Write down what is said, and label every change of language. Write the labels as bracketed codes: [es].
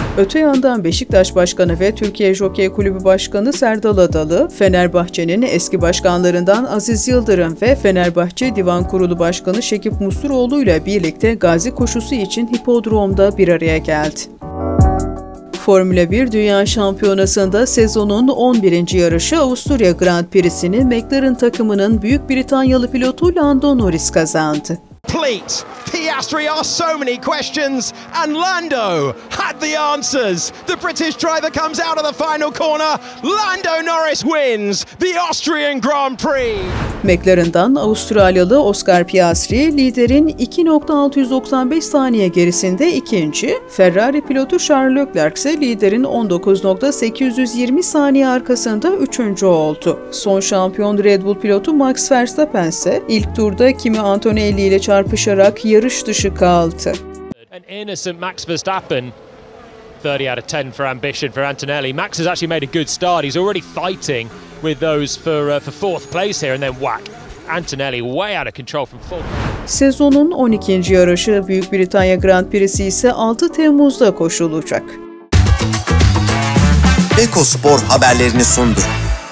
[tr] Öte yandan Beşiktaş Başkanı ve Türkiye Jokey Kulübü Başkanı Serdal Adalı, Fenerbahçe'nin eski başkanlarından Aziz Yıldırım ve Fenerbahçe Divan Kurulu Başkanı Şekip Musturoğlu ile birlikte Gazi koşusu için hipodromda bir araya geldi. Formula 1 Dünya Şampiyonası'nda sezonun 11. yarışı Avusturya Grand Prix'sini McLaren takımının Büyük Britanyalı pilotu Lando Norris kazandı. [en] Plate, Piastri asked so many questions and Lando had the answers. The British driver comes out of the final corner. Lando Norris wins the Austrian Grand Prix. [tr] McLaren'dan Avustralyalı Oscar Piastri liderin 2.695 saniye gerisinde ikinci, Ferrari pilotu Charles Leclerc ise liderin 19.820 saniye arkasında üçüncü oldu. Son şampiyon Red Bull pilotu Max Verstappen ise ilk turda Kimi Antonelli ile çarpışarak yarış dışı kaldı. [en] An innocent Max Verstappen, 30 out of 10 for ambition for Antonelli. Max has actually made a good start, he's already fighting with those for fourth place here and then whack Antonelli way out of control from fourth. [tr] Sezonun 12. yarışı Büyük Britanya Grand Prix'si ise 6 Temmuz'da koşulacak. Ekospor haberlerini sundu.